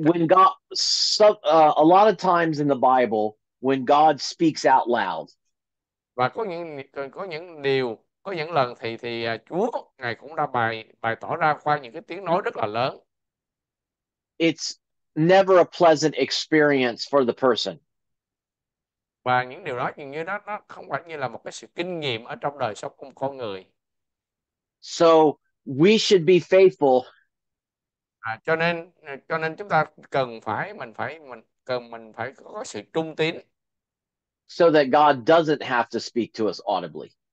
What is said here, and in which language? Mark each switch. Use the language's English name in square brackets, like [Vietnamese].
[English] When God, so, a lot of times in the Bible, when God speaks out loud, [Vietnamese] Và có những điều, có những lần thì Chúa Ngài cũng đã bày bày tỏ ra qua những cái tiếng nói rất là lớn. [English] it's never a pleasant experience for the person. [Vietnamese] Và những điều đó dường như đó nó không phải như là một cái sự kinh nghiệm ở trong đời sống của con người. [English] So we should be faithful. [Vietnamese] Cho nên chúng ta cần phải mình phải có sự trung tín. [English] So that God doesn't have to speak to us audibly.